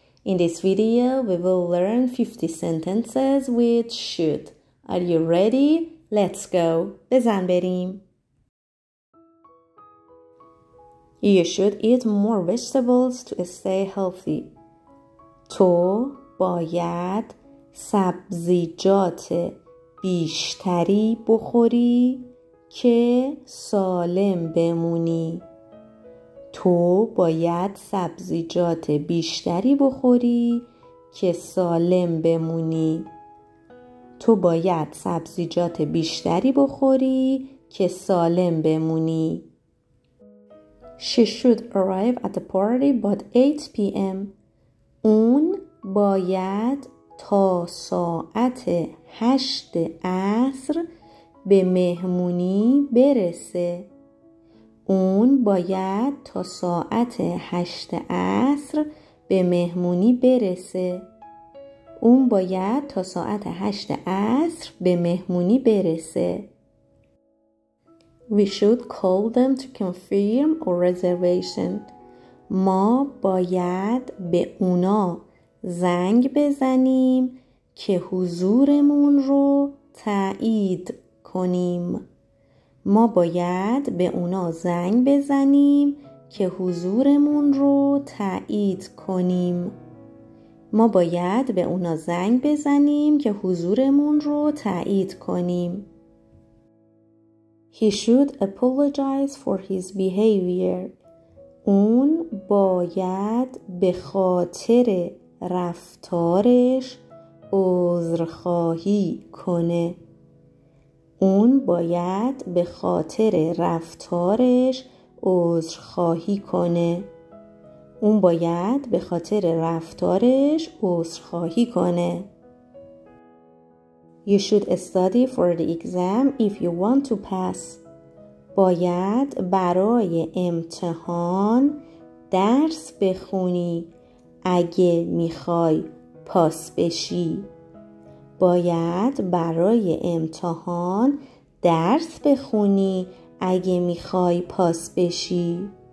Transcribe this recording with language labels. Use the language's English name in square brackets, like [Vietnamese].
[English] In this video, we will learn 50 sentences with should. Are you ready? Let's go. [Persian] بزن بریم. [English] You should eat more vegetables to stay healthy. [Persian] تو باید سبزیجات بیشتری بخوری که سالم بمونی. تو باید سبزیجات بیشتری بخوری که سالم بمونی. تو باید سبزیجات بیشتری بخوری که سالم بمونی. [English] She should arrive at the party by 8 p.m. [Persian] اون باید تا ساعت 8 عصر به مهمونی برسه. اون باید تا ساعت 8 عصر به مهمونی برسه. اون باید تا ساعت 8 عصر به مهمونی برسه. [English] We should call them to confirm our reservation. [Persian] ما باید به اونا زنگ بزنیم که حضورمون رو تایید کنیم. ما باید به اونا زنگ بزنیم که حضورمون رو تایید کنیم. ما باید به اونا زنگ بزنیم که حضورمون رو تایید کنیم. [English] He should apologize for his behavior. [Persian] اون باید به خاطر رفتارش عذرخواهی کنه. اون باید به خاطر رفتارش عذرخواهی کنه. اون باید به خاطر رفتارش عذرخواهی کنه. [English] You should study for the exam if you want to pass. [Persian] باید برای امتحان درس بخونی اگه میخوای پاس بشی. باید برای امتحان درس بخونی اگه میخوای پاس بشی.